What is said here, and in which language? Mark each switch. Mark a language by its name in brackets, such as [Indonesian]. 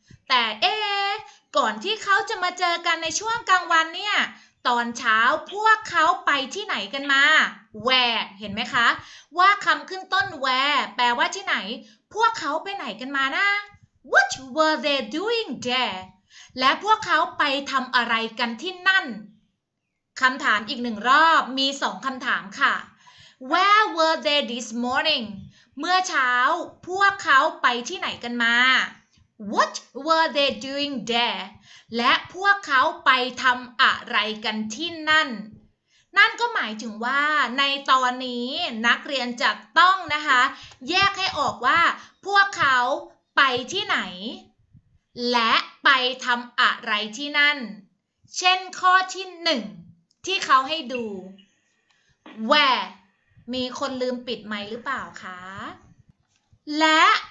[Thai] แต่ก่อนที่เขาจะมาเจอกันในช่วงกลางวันเนี่ยตอนเช้าพวกเขาไปที่ไหนกันมา Where เห็นไหมคะว่าคำขึ้นต้น Where แปลว่าที่ไหนพวกเขาไปไหนกันมานะ [English] What were they doing there [Thai] และพวกเขาไปทำอะไรกันที่นั่นคำถามอีกหนึ่งรอบมี2คำถามค่ะ [English] Where were they this morning [Thai] เมื่อเช้าพวกเขาไปที่ไหนกันมา [English] What were they doing there? [Thai] และพวกเขาไปทำอะไรกันที่นั่นนั่นก็หมายถึงว่าในตอนนี้นักเรียนจะต้องนะคะแยกให้ออกว่าพวกเขาไปที่ไหนและไปทำอะไรที่นั่นเช่นข้อที่หนึ่งที่เขาให้ดู Where มีคนลืมปิดไมค์หรือเปล่าคะและ